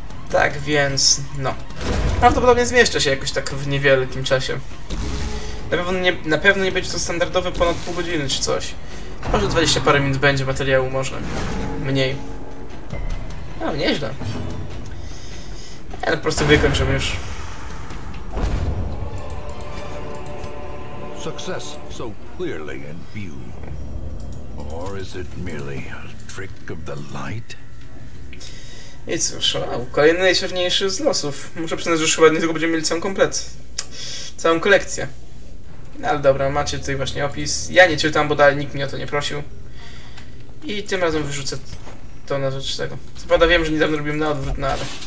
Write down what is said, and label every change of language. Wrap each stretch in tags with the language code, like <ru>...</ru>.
<pl>Tak więc, no. Prawdopodobnie zmieszczę się jakoś tak w niewielkim czasie. Na pewno nie będzie to standardowe ponad pół godziny czy coś. Może 20 parę minut będzie materiału, może mniej. No, nieźle. Ja po prostu wykończę już.</pl> <en>Success so clearly in view. Or is it merely a trick of the light?</en> <pl>I cóż, wow, kolejny najczerniejszy z losów. Muszę przyznać, że już chyba nie tylko będziemy mieli całą komplet. Całą kolekcję. No ale dobra, macie tutaj właśnie opis. Ja nie czytam, bo dalej nikt mnie o to nie prosił. I tym razem wyrzucę to na rzecz tego. Co prawda wiem, że niedawno robiłem na odwrót, no ale...</pl>